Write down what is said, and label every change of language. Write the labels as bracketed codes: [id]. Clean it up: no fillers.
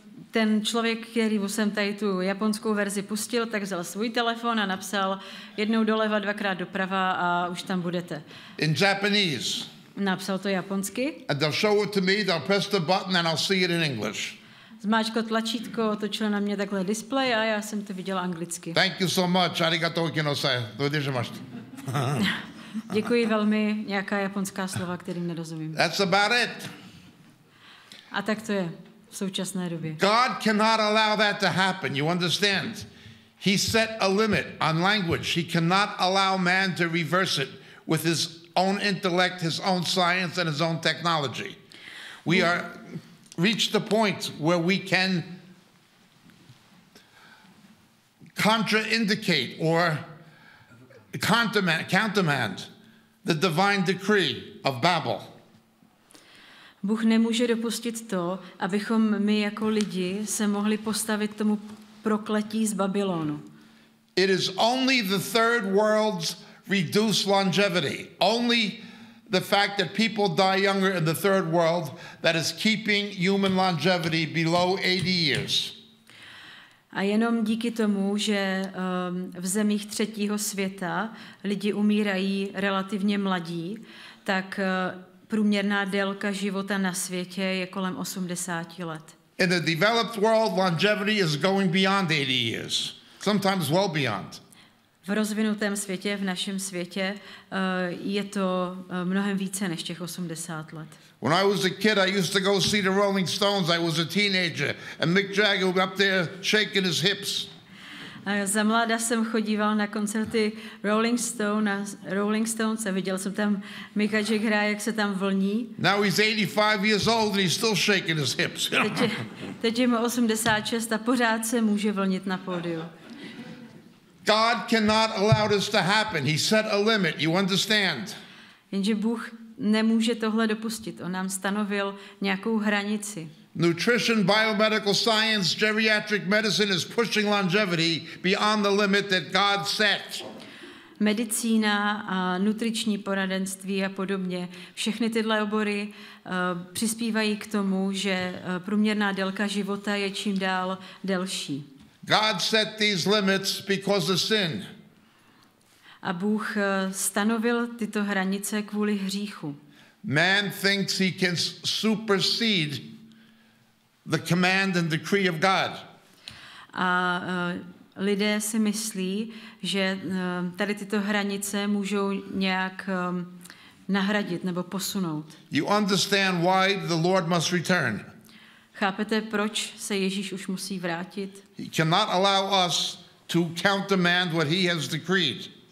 [cs] ten člověk, který jsem tady tu japonskou verzi pustil, tak vzal svůj telefon a napsal jednou doleva, dvakrát doprava a už tam budete. [en] In Japanese. [cs] Napsal to japonsky. [en] And they'll show it to me, they'll press the button and I'll see it in English. [cs] Zmáčklo tlačítko, otočilo na mě takhle displej a já jsem to viděl anglicky. [en] Thank you so much. [ja] Arigatou gozaimasu. Dodržimashita. [cs] Děkuji velmi. Nějaká japonská slova, kterým nerozumím. [en] That's about it. [cs] A tak to je v současné době. [en] God cannot allow that to happen. You understand? He set a limit on language. He cannot allow man to reverse it with his own intellect, his own science and his own technology. We are reached the point where we can contraindicate or countermand the divine decree of Babel. [cs] Bůh nemůže dopustit to, abychom my jako lidi se mohli postavit tomu prokletí z Babylonu. [en] It is only the third world's reduced longevity, only the fact that people die younger in the third world that is keeping human longevity below 80 years. [cs] A jenom díky tomu, že v zemích třetího světa lidi umírají relativně mladí, tak průměrná délka života na světě je kolem 80 let. [en] In the developed world, longevity is going beyond 80 years, sometimes well beyond. [cs] V rozvinutém světě, v našem světě, je to mnohem více než těch 80 let. [en] When I was a kid, I used to go see the Rolling Stones. I was a teenager, and Mick Jagger was up there shaking his hips. [cs] Za mláda jsem chodíval na koncerty Rolling Stones a viděl jsem tam Micka Jaggera, jak se tam vlní. [en] Now he's 85 years old and he's still shaking his hips. [cs] Teď je mu 86 a pořád se může vlnit na pódiu. [en] God cannot allow this to happen. He set a limit. You understand? [cs] Jenže Bůh nemůže tohle dopustit. On nám stanovil nějakou hranici. [en] Nutrition, biomedical science, geriatric medicine is pushing longevity beyond the limit that God set. [cs] Medicína a nutriční poradenství a podobně, všechny tyhle obory přispívají k tomu, že průměrná délka života je čím dál delší. [en] God set these limits because of sin. [cs] A Bůh stanovil tyto hranice kvůli hříchu. [en] Man thinks he can supersede the command and decree of God. [cs] A lidé si myslí, že tady tyto hranice můžou nějak nahradit nebo posunout. [en] You understand why the Lord must return. [cs] Chápete, proč se Ježíš už musí vrátit? [en] He cannot allow us to countermand what he has decreed.